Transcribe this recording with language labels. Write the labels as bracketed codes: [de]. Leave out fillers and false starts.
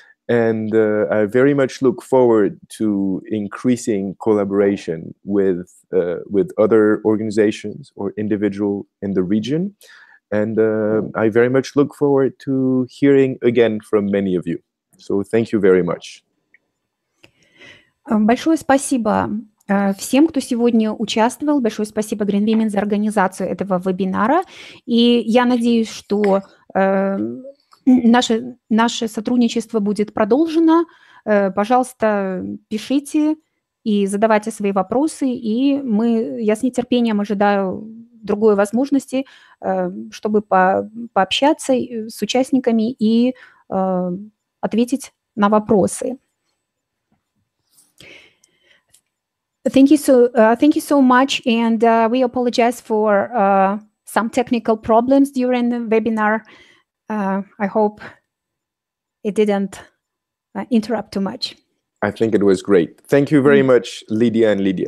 [en] And I very much look forward to increasing collaboration with other organizations or individuals in the region. And I very much look forward to hearing again from many of you. So thank you very much. [ru] Большое спасибо всем, кто сегодня участвовал. Большое спасибо Greenwomen за организацию этого вебинара. И я надеюсь, что наше сотрудничество будет продолжено. Пожалуйста, пишите и задавайте свои вопросы. И я с нетерпением ожидаю другой возможности, чтобы пообщаться с участниками и ответить на вопросы. [en] Thank you so much, and we apologize for some technical problems during the webinar. I hope it didn't interrupt too much. I think it was great. Thank you very much, Lydia and Lydia.